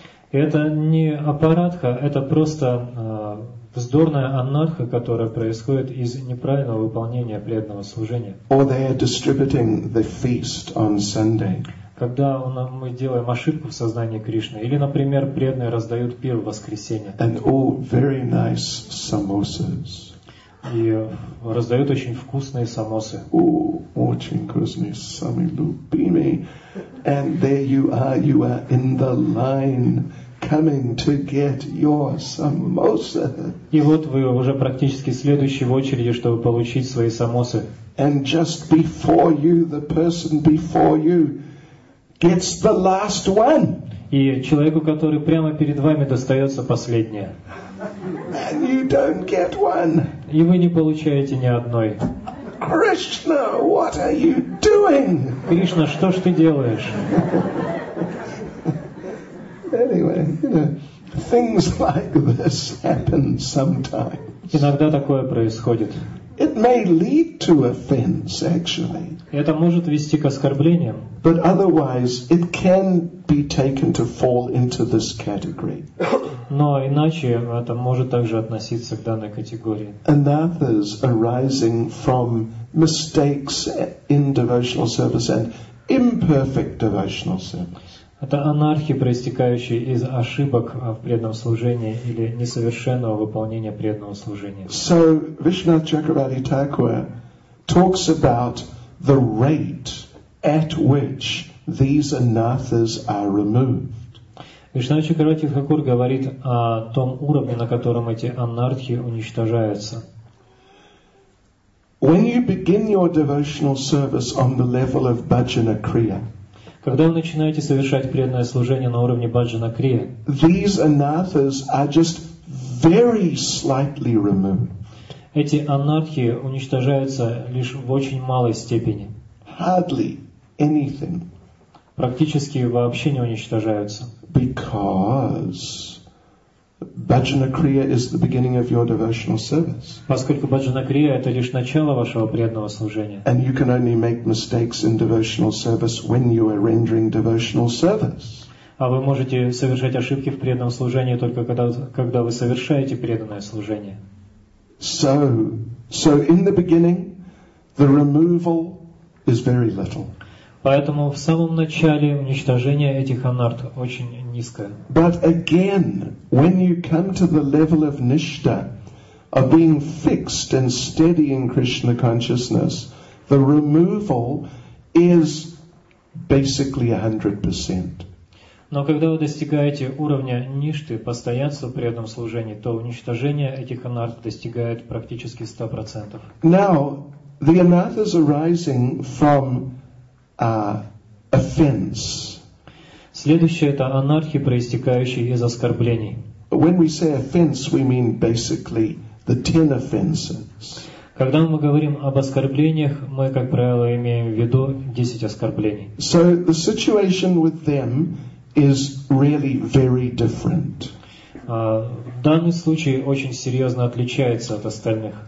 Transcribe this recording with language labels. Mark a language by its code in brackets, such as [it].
[ru] Это не апарадха, это просто вздорная анатха, которая происходит из неправильного выполнения преданного служения. [en] Or they are distributing the feast on Sunday. [ru] Когда мы делаем ошибку в сознании Кришны, или, например, преданные раздают пир в воскресенье. [en] And all very nice samosas. [ru] И раздают очень вкусные самосы. Очень вкусные, самые любимые. [en] And there you are in the line, coming to get your samosa. [ru] И вот вы уже практически следующий в очереди, чтобы получить свои самосы. [en] And just before you, the person before you gets the last one. [ru] И человеку, который прямо перед вами, достается последнее. [en] And you don't get one. [ru] И вы не получаете ни одной. [en] Krishna, what are you doing? [ru] Кришна, что ж ты делаешь? [en] Anyway, things like this happen sometimes. [ru] Иногда такое происходит. [en] It may lead to offense, actually. [ru] Это может вести к оскорблениям. [en] But otherwise, it can be taken to fall into this category. [ru] Но иначе это может также относиться к данной категории. [en] Anathas arising from mistakes in devotional service and imperfect devotional service. [ru] Это анархи, проистекающие из ошибок в преданном служении или несовершенного выполнения преданного служения. [en] So Vishwanath Chakravarti Thakur talks about the rate at which these anathas are removed. [ru] Вишнава Чакравати Хакур говорит о том уровне, на котором эти анартхи уничтожаются. [en] When you begin your devotional service on the level of bhajana kriya, [ru] когда вы начинаете совершать преданное служение на уровне баджана крия, [en] these anathas are just very slightly removed. [ru] Эти анартхи уничтожаются лишь в очень малой степени. [en] Hardly anything. [ru] практически вообще не уничтожаются. [en] Because Bhajanakriya is the beginning of your devotional service. [ru] Поскольку Bhajanakriya это лишь начало вашего преданного служения. [en] And you can only make mistakes in devotional service when you are rendering devotional service. [ru] А вы можете совершать ошибки в преданном служении только когда вы совершаете преданное служение. [en] So in the beginning, the removal is very little. [ru] Поэтому в самом начале уничтожение этих анарт очень низкое. [en] But again, when you come to the level of nishta, of being fixed and steady in Krishna consciousness, the removal is basically 100%. [ru] Но когда вы достигаете уровня ништы, постоянства в преданном служении, то уничтожение этих анарт достигает практически 100%. [en] Now, the anarthas arising from offense. [ru] Следующее это анархи, проистекающие из оскорблений. [en] When we say offense, we mean basically the 10 offenses. [ru] Когда мы говорим об оскорблениях, мы, как правило, имеем в виду 10 оскорблений. [en] So the situation with them is really very different. [ru] Данный случай очень серьезно отличается от остальных.